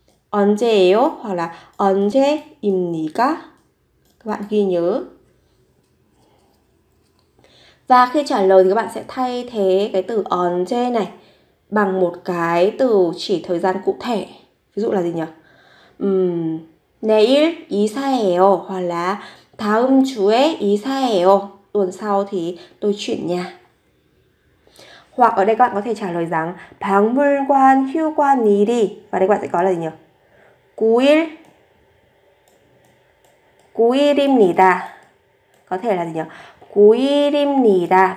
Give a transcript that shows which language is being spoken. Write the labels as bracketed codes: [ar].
[vi] 언제예요 hoặc là 언제입니까. Các bạn ghi nhớ. Và khi trả lời thì các bạn sẽ thay thế cái từ 언제 này bằng một cái từ chỉ thời gian cụ thể. Ví dụ là gì nhỉ? [ko] 내일 이사해요 [vi] hoặc là [ko] 다음 주에 이사해요. [vi] Tuần sau thì tôi chuyển nhà. Hoặc ở đây các bạn có thể trả lời rằng [ko] 박물관 휴관일이, [vi] và đây các bạn sẽ có là gì nhỉ? 9일, 9일입니다. Có thể là gì nhỉ? [ko] 9일입니다.